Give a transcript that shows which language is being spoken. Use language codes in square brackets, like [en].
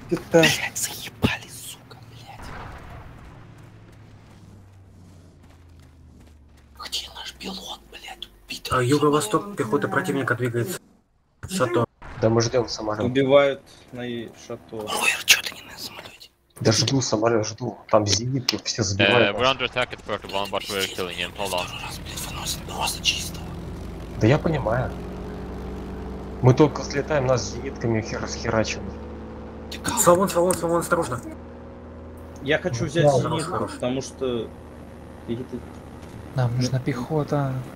[ru] Блять, заебали, сука, блять. Где наш пилот, блять, убитый? А юго-восток, пехота противника двигается. Шато. Да мы ждем самолет. Убивают на и шато. Ройер, чё ты не на самолете? Да жду самолет, жду. Там зенитки, все забивают. [en] We're under attack at Puerto Bon, but we're killing him, hold on. [ru] Раз, блять, выносит просто чистого. Да я понимаю. Мы только слетаем, нас зенитками расхерачивают. Салон, салон, салон, осторожно. Я хочу взять зенитку, потому что... Нам нужна пехота.